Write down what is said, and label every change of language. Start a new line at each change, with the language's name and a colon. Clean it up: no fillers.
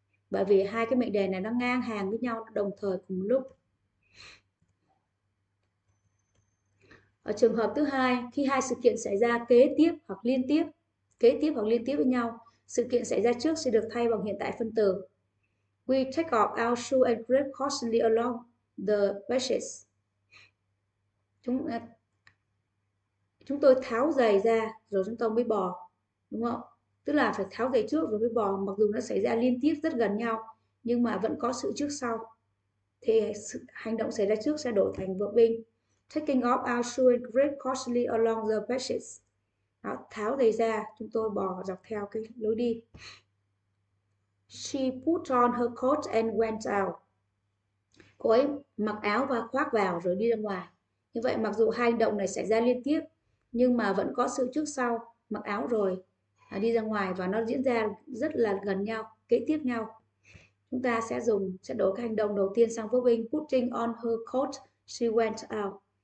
Vietnamese: Bởi vì hai cái mệnh đề này nó ngang hàng với nhau đồng thời cùng một lúc. Ở trường hợp thứ hai, khi hai sự kiện xảy ra kế tiếp hoặc liên tiếp với nhau, sự kiện xảy ra trước sẽ được thay bằng hiện tại phân từ.
English: We take off our shoes and creep cautiously along the bushes.
Vietnamese: Chúng tôi tháo giày ra rồi chúng ta mới bò, đúng không? Tức là phải tháo giày trước rồi mới bò, mặc dù nó xảy ra liên tiếp rất gần nhau nhưng mà vẫn có sự trước sau. Thì hành động xảy ra trước sẽ đổi thành verb in.
English: Taking off our shoes and creep cautiously along the bushes.
Vietnamese: Đó, tháo giày ra, chúng tôi bò dọc theo cái lối đi.
English: She put on her coat and went out.
Vietnamese: Cô ấy mặc áo và khoác vào rồi đi ra ngoài. Như vậy mặc dù hai hành động này xảy ra liên tiếp nhưng mà vẫn có sự trước sau, mặc áo rồi đi ra ngoài và nó diễn ra rất là gần nhau, kế tiếp nhau. Chúng ta sẽ đổi cái hành động đầu tiên sang verb in,
English: putting on her coat, she went out.